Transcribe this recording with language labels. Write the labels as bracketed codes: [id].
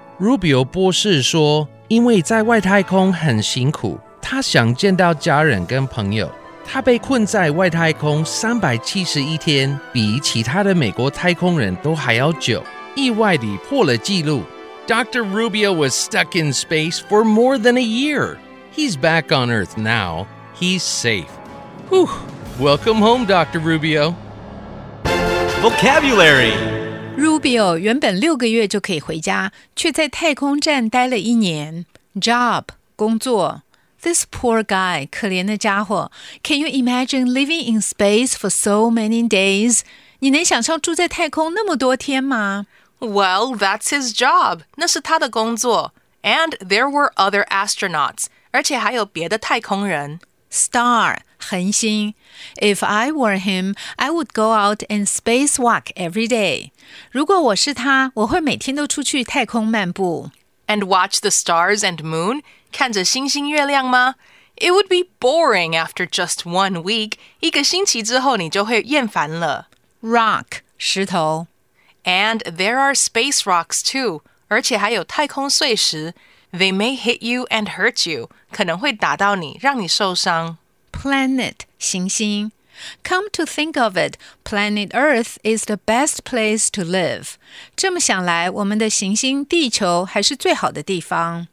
[zh] Rubio 博士说，因为在外太空很辛苦，他想见到家人跟朋友。他被困在外太空371天，比其他的美国太空人都还要久，意外地破了纪录。 [en] Dr. Rubio was stuck in space for more than a year. He's back on Earth now. He's safe. Whew. Welcome home, Dr. Rubio. Vocabulary. [zh] Rubio 原本六个月就可以回家，却在太空站待了一年。 [en] Job, 工作。This poor guy, [zh] 可怜的家伙。 [en] Can you imagine living in space for so many days? [zh] 你能想象住在太空那么多天吗？ [en] Well, that's his job. [zh] 那是他的工作。 [en] And there were other astronauts. [zh] 而且还有别的太空人。 [en] Star, 恒星。 If I were him, I would go out and spacewalk every day. [zh] 如果我是他，我会每天都出去太空漫步。 [en] And watch the stars and moon? [zh] 看着星星月亮吗？ [en] It would be boring after just 1 week. [zh] 一个星期之后你就会厌烦了。 [en] Rock, 石头。 And there are space rocks too. [zh] 而且还有太空碎石。 [en] They may hit you and hurt you. [zh] 可能会打到你，让你受伤。 [en] Planet, 行星。 Come to think of it, planet Earth is the best place to live. [zh] 这么想来，我们的行星地球还是最好的地方。